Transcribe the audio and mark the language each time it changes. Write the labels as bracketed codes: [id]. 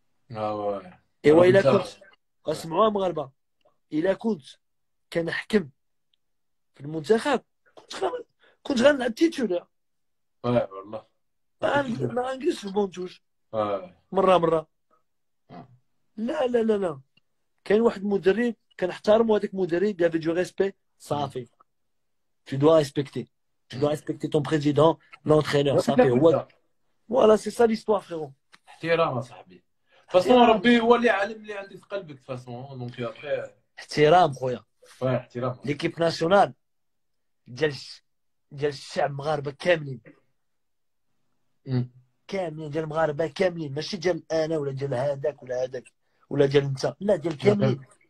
[ar] ايوا الا كنت اسمعوا مغاربه، الا كنت كنحكم في المنتخب كنت غنلعب تيتولا. والله ما غنجلس في بونتوش مره. لا لا لا لا، كاين واحد مدرب كنحترمو، هذاك مدرب دافي دو ريسبي. صافي [fr] tu dois respecter ton président l'entraîneur. [ar] صافي هو [fr] voilà c'est ça l'histoire frérot. [ar] احترام صاحبي فاصون، ربي هو اللي عالم اللي عندي في قلبك فاصون. دونك يا اخي احترام خويا، احترام ليكيب ناسيونال ديال الشعب المغاربه كاملين كاملين، ديال المغاربه كاملين، ماشي ديال انا ولا ديال هذاك ولا هذاك ولا ديال انت، لا ديال كاملين.